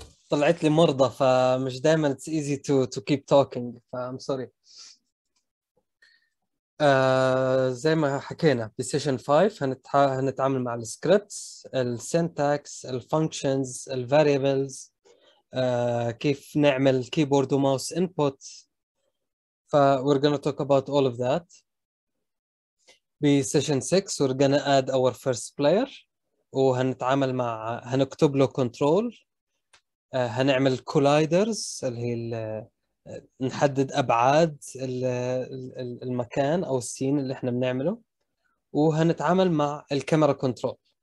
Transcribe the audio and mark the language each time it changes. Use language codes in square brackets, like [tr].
[ar] طلعت لي مرضى فمش دائما [en] it's easy to keep talking فI'm sorry. [ar] زي ما حكينا بسيشن 5 هنتعامل مع السكريبتس، السينتاكس، الفانكشنز، الفاريبلز، كيف نعمل كيبورد وماوس انبوت. [en] ف we're gonna talk about all of that. [ar] بسيشن 6 [en] we're gonna add our first player، [ar] وهنتعامل مع هنكتب له كنترول، هنعمل كولايدرز اللي هي نحدد ابعاد المكان او السين اللي احنا بنعمله، وهنتعامل مع الكاميرا كنترول.